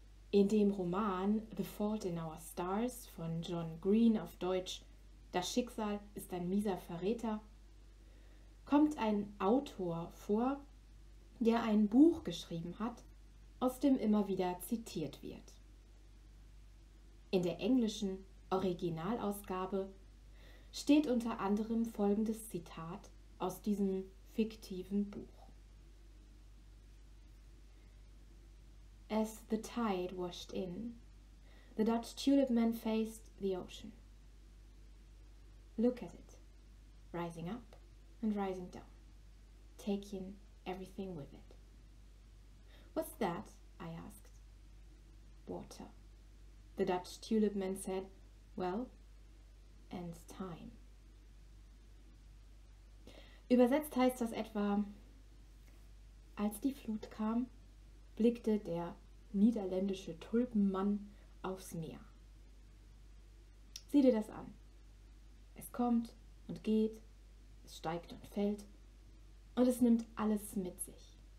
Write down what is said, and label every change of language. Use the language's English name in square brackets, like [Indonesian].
[German] In dem Roman The Fault in Our Stars von John Green auf Deutsch Das Schicksal ist ein mieser Verräter kommt ein Autor vor, der ein Buch geschrieben hat, aus dem immer wieder zitiert wird. In der englischen Originalausgabe steht unter anderem folgendes Zitat aus diesem fiktiven Buch. [English] As the tide washed in, the Dutch tulip man faced the ocean. Look at it, rising up and rising down, taking everything with it. What's that? I asked. Water, the Dutch tulip man said. Well, and time. [German] Übersetzt heißt das etwa, als die Flut kam, blickte der niederländische Tulpenmann aufs Meer. Sieh dir das an. Es kommt und geht, es steigt und fällt und es nimmt alles mit sich.